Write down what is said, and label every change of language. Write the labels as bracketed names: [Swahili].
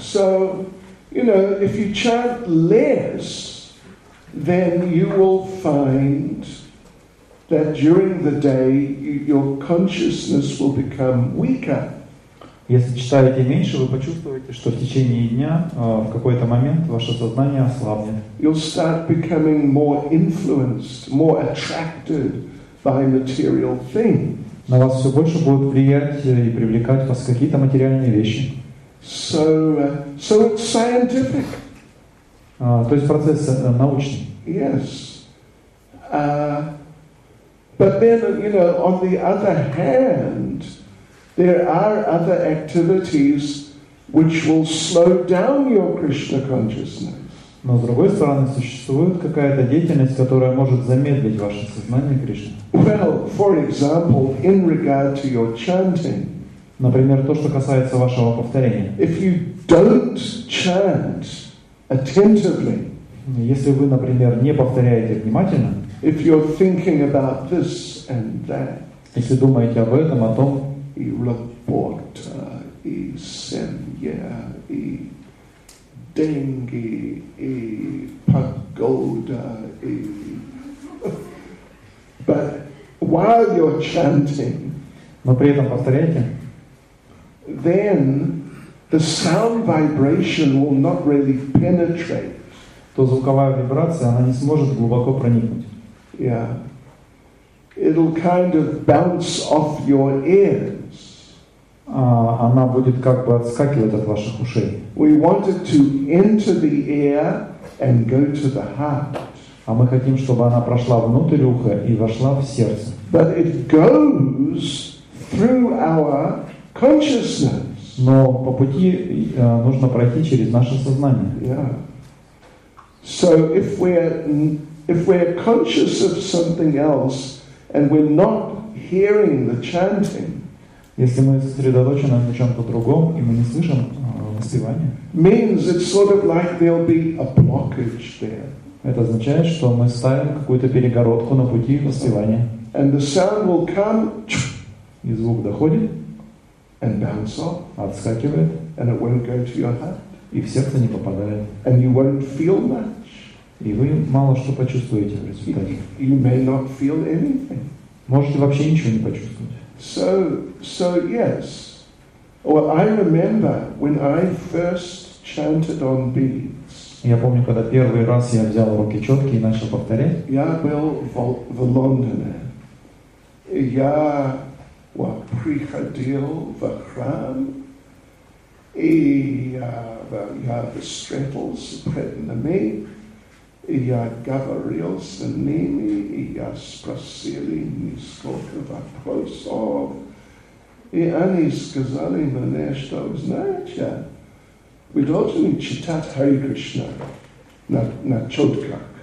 [English] So, you know, if you chant less, then you will find that during the day your consciousness will become weaker. [Russian] Если читаете меньше, вы почувствуете, что в течение дня в какой-то момент ваше сознание ослабнет. [English] You'll start becoming more influenced, more attracted by material things. [Russian] На вас все больше будут влиять и привлекать вас какие-то материальные вещи. [English] So it's scientific. [Russian] То есть процесс научный. [English] Yes. But then, you know, on the other hand, there are other activities which will slow down your Krishna consciousness. [Russian] Но с другой стороны существует какая-то деятельность, которая может замедлить ваше сознание Кришны. [English] Well, for example, in regard to your chanting. [Russian] Например, то, что касается вашего повторения. [English] If you don't chant attentively, [Russian] если вы, например, не повторяете внимательно, [English] if you're thinking about this and that, [Russian] если думаете об этом, о том, и рапорта, и семья, и деньги, и погода, и... [English] But while you're chanting, [Russian] но при этом повторяете, [English] then the sound vibration will not really penetrate. [Russian] То звуковая вибрация, она не сможет глубоко проникнуть. [English] Yeah. It'll kind of bounce off your ears. [Russian] Она будет как бы отскакивать от ваших ушей. [English] We want it to enter the ear and go to the heart. [Russian] А мы хотим, чтобы она прошла внутрь уха и вошла в сердце. [English] But it goes through our consciousness. [Russian] Но по пути нужно пройти через наше сознание. [English] Yeah. So if we're conscious of something else and we're not hearing the chanting. [Russian] Если мы сосредоточены на чем-то другом и мы не слышим воспевания. [English] Means it's sort of like there'll be a blockage there. [Russian] Это означает, что мы ставим какую-то перегородку на пути воспевания. [English] And the sound will come. [Russian] И звук доходит. [English] And bounce off, [Russian] отскакивает, [English] and it won't go to your heart, [Russian] и в сердце не попадает, [English] and you won't feel much, [Russian] и вы мало что почувствуете в результате. [English] You may not feel anything. [Russian] Можете вообще ничего не почувствовать. [English] So yes. Well, I remember when I first chanted on beads. [Russian] Я помню, когда первый раз я взял руки четки и начал повторять. Я был в Лондоне, Я приходил в храм, и я встретил с преданными, и я говорил с ними, и я спросил несколько вопросов, и они сказали мне, что, знаете, вы должны читать Хари Кришна на чутках.